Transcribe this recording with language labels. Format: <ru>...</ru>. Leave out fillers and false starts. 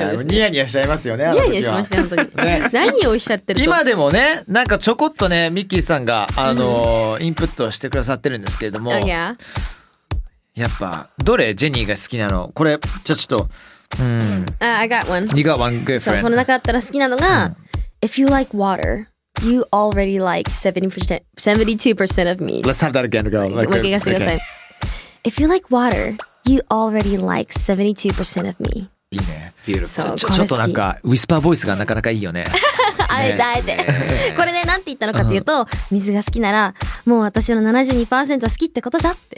<ja>はいはいはい、ニヤニヤしちゃいますよね。あの時はニヤニヤしましたね本当に、ね、何をおっしゃってると今でもねなんかちょこっとねミッキーさんがインプットしてくださってるんですけれども、</ja> <en>oh, yeah.</en> <ja>やっぱどれジェニーが好きなのこれじゃちょっと、</ja> <en>I got one. You got one good friend.</en> <ja>この中だったら好きなのが、</ja> <en>If you like water, you already like 72% of me. Let's have that again. Go. Okay.</en> <ja>もう一回言ってください。</ja> <en>If you like water, you already like 72% of me.</en> <ja>いいね。</ja> <en>Beautiful.</en> <ja>ちょっとなんかウィスパーボイスがなかなかいいよね。あえてあえてこれねなんて言ったのかというと、うん、水が好きならもう私の 72% は好きってことだって</ja>